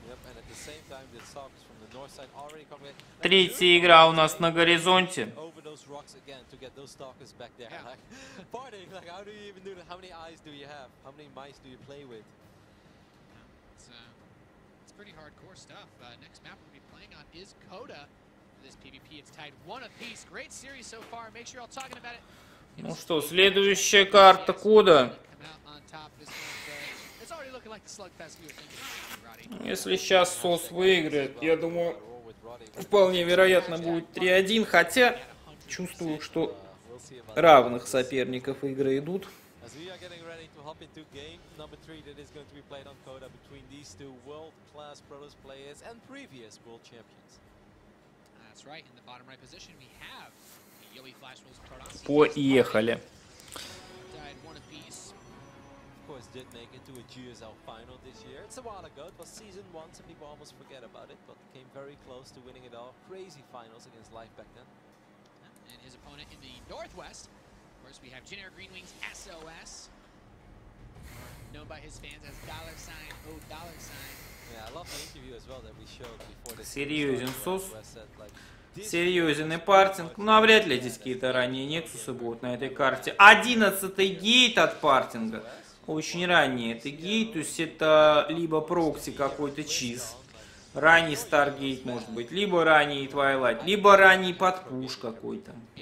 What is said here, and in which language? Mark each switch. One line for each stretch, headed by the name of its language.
English: Yep, and at the same time, the stalkers from the north side already coming.
Russian: Третья игра у нас на горизонте.
English: Over those rocks again to get those stalkers back there. Yeah. Like, party, like, how do you even do that? How many eyes do you have? How many mice do you play with? Pretty hardcore stuff. Next map we'll be playing on is Coda. This PvP, it's tied one apiece. Great series so far. Make sure you're all talking about it.
Russian: Ну что, следующая карта Coda.
English: It's already looking like the slugfest we were thinking.
Russian: Если сейчас Сос выиграет, я думаю, вполне вероятно будет 3-1. Хотя чувствую, что равных соперников игры идут.
English: As we are getting ready to hop into game number 3 that is going to be played on Coda between these two world-class Protoss players and previous world champions. That's right, in the bottom right position we have Yoi Flash Wolves Protoss.
Russian: Поехали.
English: Died one apiece. Of course, did make it to a GSL final this year. It's a while ago, it was season 1, so people almost forget about it, but came very close to winning it all. Crazy finals against Life back then. And his opponent in the Northwest. We have Jhin'Air Greenwing's SOS, known by his fans as $$. Yeah, I love the interview as well that we showed before the
Russian: Серьезен Сус. Серьезен и Партинг. Ну, навряд ли здесь какие-то ранние Нексусы будут на этой карте. 11-й гейт от Партинга. Очень ранний это гейт. То есть это либо прокси какой-то чиз. Ранний Старгейт может быть. Либо ранний Твайлайт. Либо ранний подпуш какой-то.